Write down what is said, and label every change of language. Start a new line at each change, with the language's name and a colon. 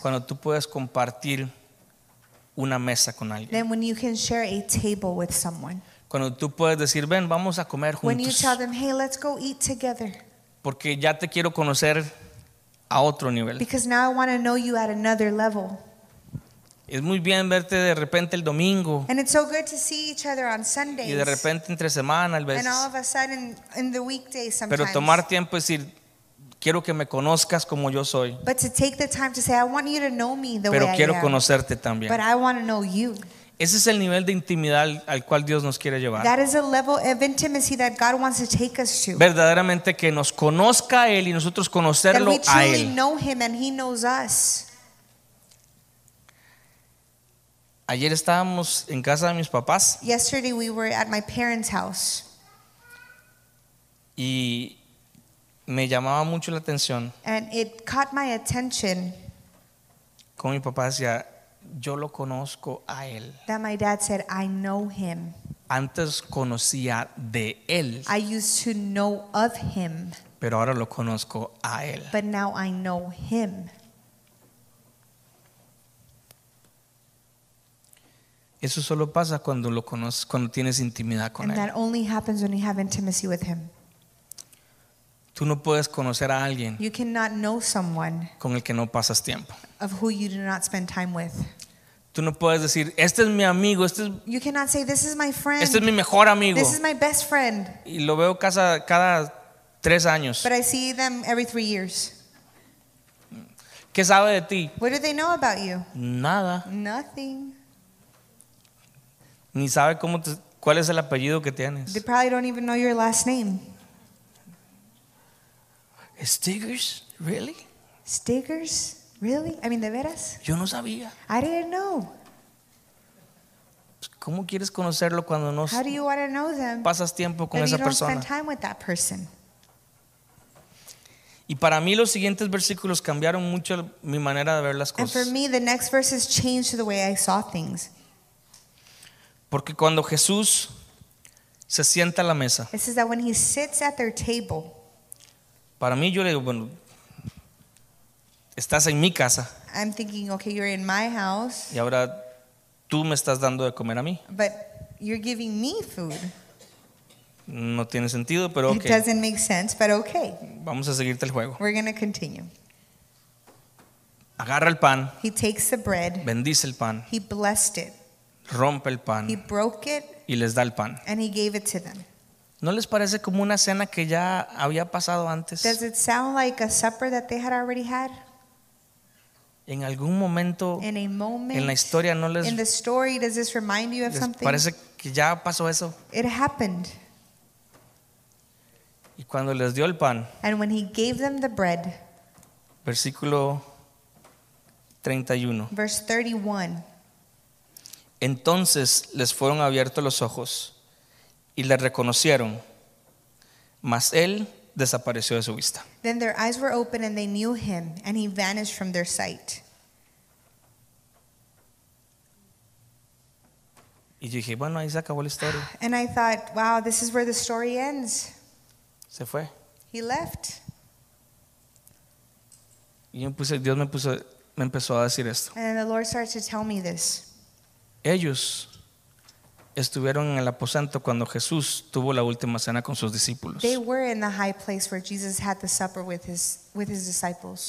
Spanish: Cuando tú puedes compartir una mesa con alguien.
English: Then when you can share a table with someone.
Spanish: Cuando tú puedes decir, ven, vamos a comer juntos.
English: When you tell them, hey, let's go eat together.
Spanish: Porque ya te quiero conocer a otro nivel.
English: Because now I want to know you at another level.
Spanish: Es muy bien verte de repente el domingo.
English: And it's so good to see each other on Sundays.
Spanish: Y de repente entre semana, a veces.
English: And all of a sudden in the weekdays sometimes.
Spanish: Pero tomar tiempo es decir, quiero que me conozcas como yo soy.
English: But to take the time to say, I want you to know me the
Spanish: pero
English: way I am.
Spanish: Pero quiero conocerte también.
English: But I want to know you.
Spanish: Ese es el nivel de intimidad al cual Dios nos quiere llevar.
English: That is a level of intimacy that God wants to take us to.
Spanish: Verdaderamente que nos conozca él y nosotros conocerlo a él.
English: That we truly know him and he knows us.
Spanish: Ayer estábamos en casa de mis papás.
English: Yesterday we were at my parents' house.
Spanish: Y me llamaba mucho la atención.
English: And it caught my attention.
Spanish: Como mi papá decía, yo lo conozco a él.
English: That my dad said, I know him.
Spanish: Antes conocía de él.
English: I used to know of him.
Spanish: Pero ahora lo conozco a él.
English: But now I know him.
Spanish: Eso solo pasa cuando lo conoces, cuando tienes intimidad con él.
English: And that only happens when you have intimacy with him.
Spanish: Tú no puedes conocer a alguien.
English: You cannot know someone.
Spanish: Con el que no pasas tiempo.
English: Of who you do not spend time with.
Spanish: Tú no puedes decir, este es mi amigo, este es.
English: You cannot say this is my friend.
Spanish: Este es mi mejor amigo.
English: This is my best friend.
Spanish: Y lo veo casa cada 3 años.
English: But I see them every 3 years.
Spanish: ¿Qué sabe de ti?
English: What do they know about you?
Spanish: Nada.
English: Nothing.
Spanish: Ni sabe cómo te, cuál es el apellido que tienes.
English: They probably don't even know your last name. Stickers? Really? Stickers? Really? I mean,
Spanish: ¿de veras? Yo no sabía.
English: I didn't know.
Spanish: ¿Cómo quieres conocerlo cuando no
English: how do you want to know them
Spanish: pasas tiempo con esa persona?
English: Spend time with that person?
Spanish: Y para mí los siguientes versículos cambiaron mucho mi manera de ver las cosas.
English: And for me, the next verses changed the way I saw things.
Spanish: Porque cuando Jesús se sienta a la mesa.
English: It says that when he sits at their table.
Spanish: Para mí yo le digo, bueno, estás en mi casa.
English: I'm thinking, okay, you're in my house.
Spanish: Y ahora tú me estás dando de comer a mí.
English: But you're giving me food.
Spanish: No tiene sentido, pero okay.
English: It doesn't make sense, but okay.
Spanish: Vamos a seguirte el juego.
English: We're going to continue.
Spanish: Agarra el pan.
English: He takes the bread.
Spanish: Bendice el pan.
English: He blessed it.
Spanish: Rompe el pan.
English: He broke it.
Spanish: Y les da el pan.
English: And he gave it to them.
Spanish: ¿No les parece como una cena que ya había pasado antes?
English: Does it sound like a supper that they had already had?
Spanish: En algún momento.
English: In a moment.
Spanish: En la historia no les.
English: In the story, does this remind you of something?
Spanish: Parece que ya pasó eso.
English: It happened.
Spanish: Y cuando les dio el pan.
English: And when he gave them the bread.
Spanish: Versículo 31.
English: Verse 31.
Spanish: Entonces les fueron abiertos los ojos y le reconocieron, mas él desapareció de su vista.
English: Then their eyes were open and they knew him, and he vanished from their sight.
Spanish: Y yo dije, bueno, ahí se acabó la historia.
English: And I thought, wow, this is where the story ends.
Spanish: Se fue.
English: He left.
Spanish: Y yo puse, Dios me empezó a decir esto.
English: And the Lord started to tell me this.
Spanish: Ellos estuvieron en el aposento cuando Jesús tuvo la última cena con sus discípulos.
English: They were in the high place where Jesus had the supper with his disciples.